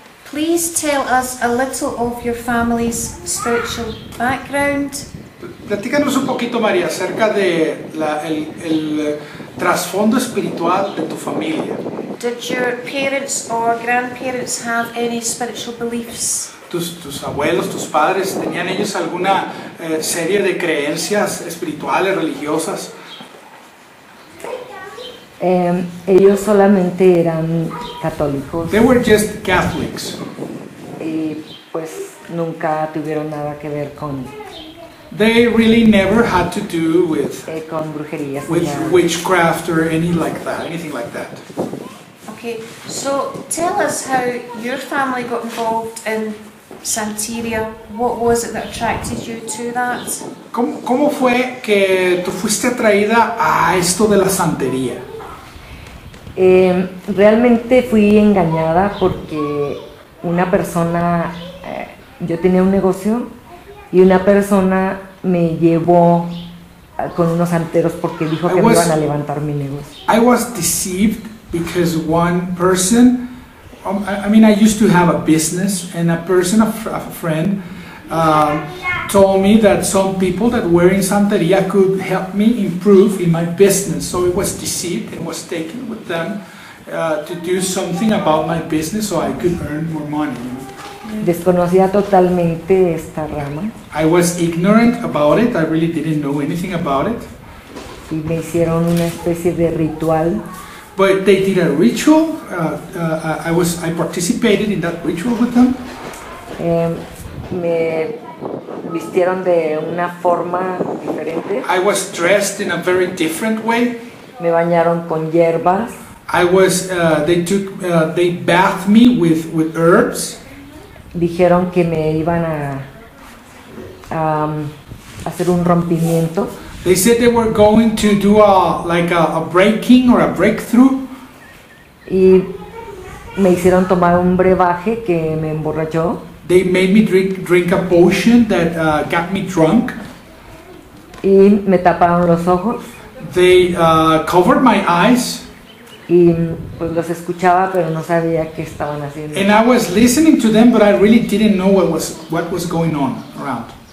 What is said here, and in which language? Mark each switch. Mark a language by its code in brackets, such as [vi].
[en] Please tell us a little of your family's spiritual background. [es] Platícanos un poquito, María, acerca de el trasfondo espiritual de tu familia. [en] Did your parents or grandparents have any spiritual beliefs? [es] Tus abuelos, tus padres, ¿tenían ellos alguna serie de creencias espirituales, religiosas? Ellos solamente eran católicos. [en] They were just Catholics. [es] Y pues nunca tuvieron nada que ver con... [en] They really never had to do with [es] con brujería, [en] with witchcraft or anything like that. Okay, so tell us how your family got involved in Santeria. What was it that attracted you to that? [es] ¿Cómo fue que tú fuiste atraída a esto de la santería? Realmente fui engañada porque una persona, yo tenía un negocio y una persona me llevó con unos santeros porque dijo que me iban a levantar mi negocio. [en] I was deceived because one person, I used to have a business, and a person, a friend, told me that some people that were in Santería could help me improve in my business. So I was deceived and was taken with them to do something about my business so I could earn more money. [es] Desconocía totalmente esta rama. [en] I was ignorant about it. I really didn't know anything about it. [es] Y me hicieron una especie de ritual. [en] But they did a ritual. I participated in that ritual with them. [es] Me vistieron de una forma diferente. [en] I was dressed in a very different way. [es] Me bañaron con hierbas. [en] They bathed me with herbs. [es] Dijeron que me iban a hacer un rompimiento. [en] They said they were going to do a breaking or a breakthrough. [es] Y me hicieron tomar un brebaje que me emborrachó. [en] They made me drink a potion that got me drunk. [es] Y me taparon los ojos. [en] They covered my eyes. [es] Y pues los escuchaba, pero no sabía qué estaban haciendo. [en] And I was listening to them, but I really didn't know what was going on around.